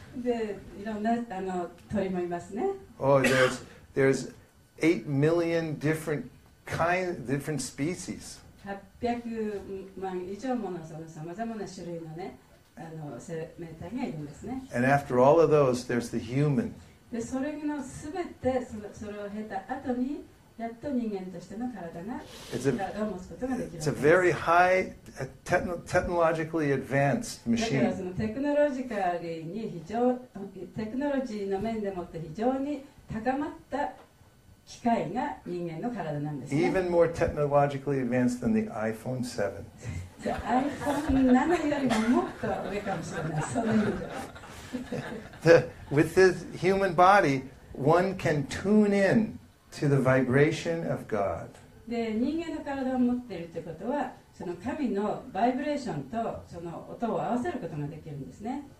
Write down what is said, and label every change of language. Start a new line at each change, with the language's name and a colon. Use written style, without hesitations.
Japanese: で、いろんなあの鳥もいますね。
English: Oh, there's 8 million different kinds, different species.
Japanese: 800万以上もの、その様々な種類のね、あの生命体がいるんですね。
English: And after all of those, there's the human.
Japanese: で、それのすべて、それを経た後に、やっと人間としての体が、体を持つことができるんです。
English: It's a very high, technologically advanced machine.
Japanese: だからそのテクノロジカリに非常、テクノロジーの面でもって非常に高まった機械が人間の体なんですね。
English: Even more technologically advanced than the iPhone 7.
Japanese: The iPhone 7よりももっと上かもしれない。その意味で。
English: With this human body, one can tune in to the vibration of God.
Japanese: で、人間の体を持っているということは、その神のバイブレーションとその音を合わせることができるんですね。